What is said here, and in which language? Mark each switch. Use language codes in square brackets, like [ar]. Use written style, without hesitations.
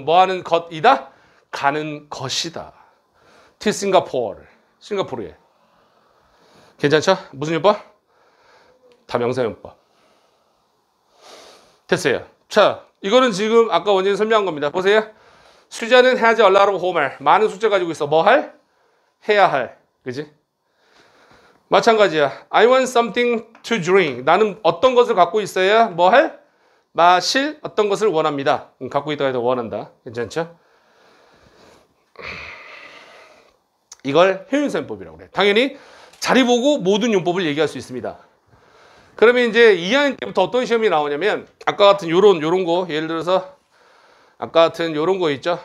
[ko] 뭐 하는 것이다? 가는 것이다. to Singapore. 싱가포르에. 괜찮죠? 무슨 용법? 다 명사용법. 됐어요. 자, 이거는 지금 아까 원진이 설명한 겁니다. 보세요. [en] 수자는 has a lot of homework. [ko] 많은 숙제 가지고 있어. 뭐 할? 해야 할. 그지? 마찬가지야. [en] I want something to drink. [ko] 나는 어떤 것을 갖고 있어야 뭐 할? 마실 어떤 것을 원합니다. 갖고 있다 해도 원한다. 괜찮죠? 이걸 효용사용법이라고 그래. 당연히 자리 보고 모든 용법을 얘기할 수 있습니다. 그러면 이제 2학년 때부터 어떤 시험이 나오냐면 아까 같은 요런 거 예를 들어서 아까 같은 요런 거 있죠.